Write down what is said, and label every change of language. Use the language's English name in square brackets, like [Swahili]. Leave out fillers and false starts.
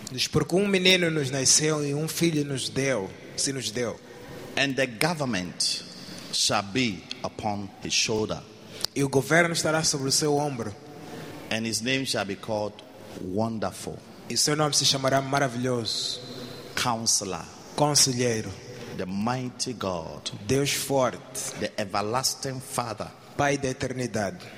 [Portuguese] Porque menino nos nasceu e filho nos deu, se nos deu. [English] And the government shall be upon his shoulder. [Portuguese] E o governo estará sobre o seu ombro. [English] And his name shall be called Wonderful. [Portuguese] E seu nome se chamará Maravilhoso. [English] Counselor. [Portuguese] Conselheiro. [English] The Mighty God. [Portuguese] Deus Forte. [English] The Everlasting Father. [Portuguese] Pai da Eternidade.